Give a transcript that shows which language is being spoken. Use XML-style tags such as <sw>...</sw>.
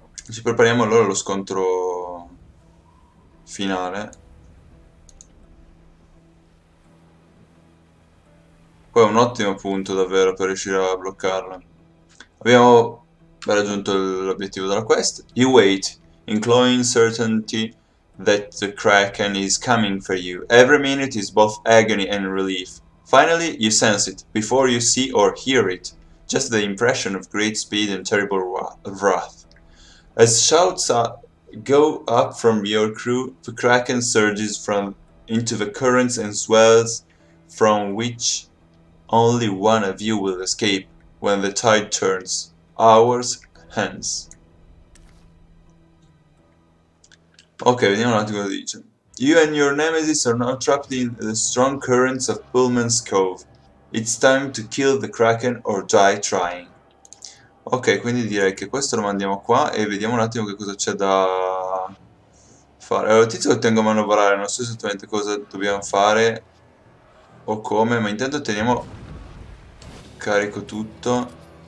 <it>Ci prepariamo allora allo scontro finale. Poi è un ottimo punto davvero per riuscire a bloccarla. Abbiamo raggiunto l'obiettivo della quest.</it> <en>You wait, employing certainty that the Kraken is coming for you. Every minute is both agony and relief. Finally, you sense it, before you see or hear it. Just the impression of great speed and terrible wrath. As shouts go up from your crew, the Kraken surges from into the currents and swells from which only one of you will escape when the tide turns. Hours hence.</en> <it>Ok, vediamo un attimo cosa dice.</it> <en>You and your nemesis are now trapped in the strong currents of Pullman's Cove. It's time to kill the Kraken or die trying.</en> <it>Ok, quindi direi che questo lo mandiamo qua e vediamo un attimo che cosa c'è da fare. Allora, tizio che tengo a manovrare, non so esattamente cosa dobbiamo fare o come, ma intanto teniamo carico tutto.</it>